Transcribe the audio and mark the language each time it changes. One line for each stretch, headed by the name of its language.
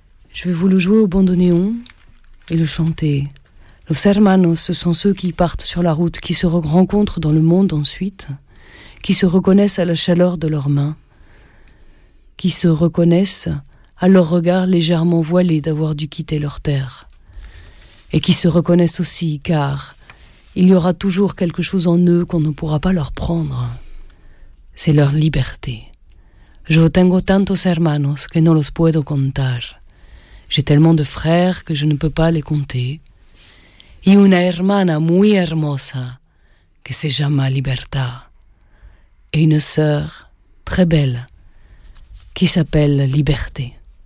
French: Je vais vous le jouer au bandoneon et le chanter. Los Hermanos, ce sont ceux qui partent sur la route, qui se rencontrent dans le monde ensuite, qui se reconnaissent à la chaleur de leurs mains, qui se reconnaissent à leur regard légèrement voilé d'avoir dû quitter leur terre, et qui se reconnaissent aussi, car il y aura toujours quelque chose en eux qu'on ne pourra pas leur prendre. C'est leur liberté.
Spanish: Yo tengo tantos hermanos que no los puedo contar.
French: J'ai tellement de frères que je ne peux pas les compter.
Spanish: Y una hermana muy hermosa que se llama Libertad.
French: Et une sœur très belle qui s'appelle Liberté.